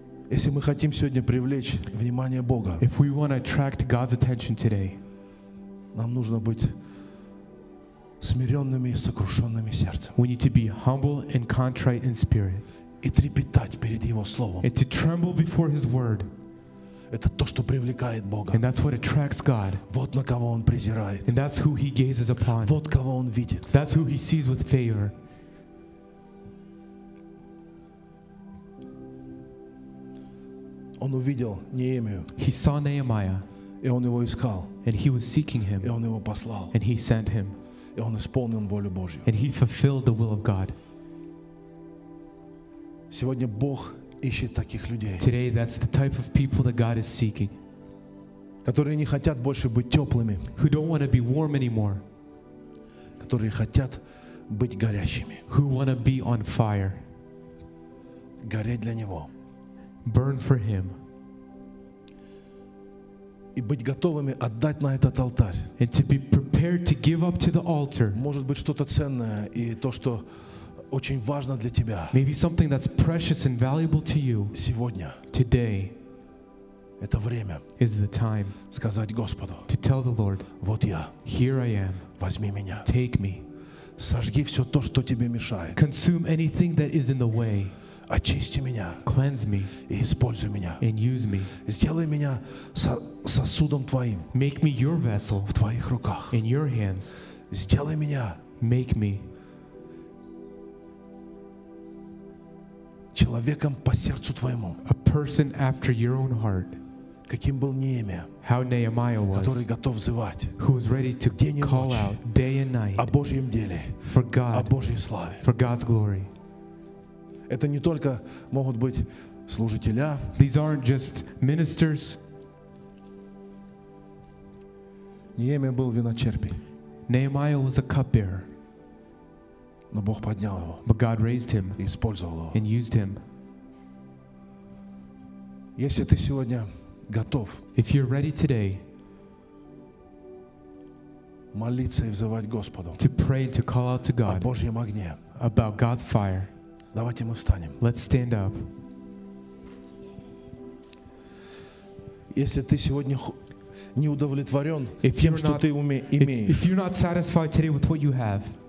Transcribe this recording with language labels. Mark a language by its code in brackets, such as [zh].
[ru] Если мы хотим сегодня привлечь внимание Бога, [en] if we want to attract God's attention today, [ru] нам нужно быть смиренными и сокрушенными сердцем. [en] We need to be humble and contrite in spirit. [ru] И трепетать перед Его словом. [en] And to tremble before His word. [ru] Это то, что привлекает Бога. [en] And that's what attracts God. [ru] Вот на кого он презирает. [en] And that's who he gazes upon. [ru] Вот кого он видит. [en] That's who he sees with favor. [ru] Он увидел Неемию. [en] He saw Nehemiah. [ru] И он его искал. [en] And he was seeking him. [ru] И он его послал. [en] And he sent him. [ru] И он исполнил волю Божью. [en] And he fulfilled the will of God. [ru] Сегодня Бог ищет таких людей. [en] Today, that's the type of people that God is seeking. [ru] Которые не хотят больше быть теплыми. [en] Who don't want to be warm anymore. [ru] Которые хотят быть горящими. [en] Who want to be on fire. [ru] Гореть для Него. [en] Burn for Him. [ru] И быть готовыми отдать на этот алтарь. [en] And to be prepared to give up to the altar. [ru] Может быть, что-то ценное и то, что очень важно для тебя. [en] Maybe something that's precious and valuable to you. [ru] Сегодня. [en] Today. [ru] Это время. [en] Is the time. [ru] Сказать Господу. [en] To tell the Lord. [ru] Вот я. [en] Here I am. [ru] Возьми меня. [en] Take me. [ru] Сожги все то, что тебе мешает. [en] Consume anything that is in the way. [ru] Очисти меня. [en] Cleanse me. [ru] И используй меня. [en] And use me. [ru] Сделай меня сосудом твоим. [en] Make me your vessel. [ru] В твоих руках. [en] In your hands. [ru] Сделай меня. [en] Make me. [ru] Человеком по сердцу твоему. [en] A person after your own heart. [ru] Каким был Неемия? [en] How Nehemiah was. [ru] Который готов взывать. [en] Who was ready to call out day and night. [ru] О Божьем деле. [en] For God. [ru] О Божьей славе. [en] For God's glory. [ru] Это не только могут быть служителя. [en] These aren't just ministers. [ru] Неемия был виночерпи. [en] Nehemiah was a cupbearer. [ru] Но Бог поднял его. [en] But God raised him. [ru] И использовал его. [en] And used him. [ru] Если ты сегодня готов, [en] if you're ready today, [ru] молиться и взывать Господу, [en] to pray and to call out to God, [ru] о Божьем огне, [en] about God's fire, [ru] давайте мы встанем. [en] Let's stand up. [ru] Если ты сегодня не удовлетворен тем, что ты имеешь, [en] if you're not satisfied today with what you have,